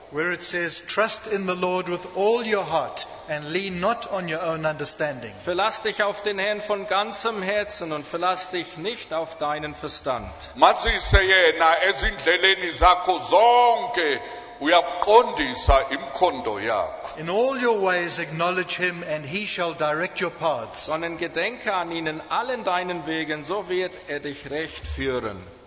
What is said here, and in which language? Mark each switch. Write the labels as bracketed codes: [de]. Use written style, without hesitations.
[en] Where it says, trust in the Lord with all your heart and lean not on your own understanding. [de] Verlass dich auf den Herrn von ganzem Herzen und verlass dich nicht auf deinen Verstand. [zu] Mazise yena ezindleleni zakho zonke. Uyaqondisa imkhondo yakho. [en] In all your ways acknowledge him and he shall direct your paths. [de] Sondern gedenke an ihn in allen deinen Wegen, so wird er dich recht führen.